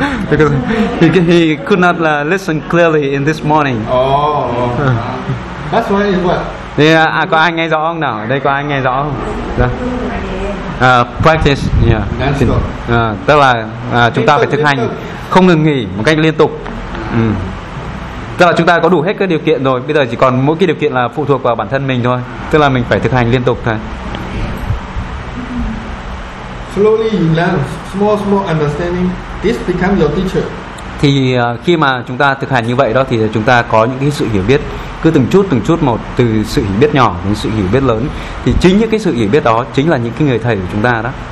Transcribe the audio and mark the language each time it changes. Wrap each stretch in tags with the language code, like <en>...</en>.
<en>Because he could not listen clearly in this morning. Oh, that's why it's what.</en> <vi>Thì có ai nghe rõ không nào? Đây có ai nghe rõ không?</vi> <en>Practice, yeah.</en> <vi>Tức là chúng ta phải thực hành không ngừng nghỉ một cách liên tục. Tức là chúng ta có đủ hết các điều kiện rồi, bây giờ chỉ còn mỗi cái điều kiện là phụ thuộc vào bản thân mình thôi. Tức là mình phải thực hành liên tục thôi.</vi> <en>Slowly you learn small understanding, this become your teacher.</en> <vi>Thì khi mà chúng ta thực hành như vậy đó thì chúng ta có những cái sự hiểu biết cứ từng chút một, từ sự hiểu biết nhỏ đến sự hiểu biết lớn, thì chính những cái sự hiểu biết đó chính là những cái người thầy của chúng ta đó.</vi>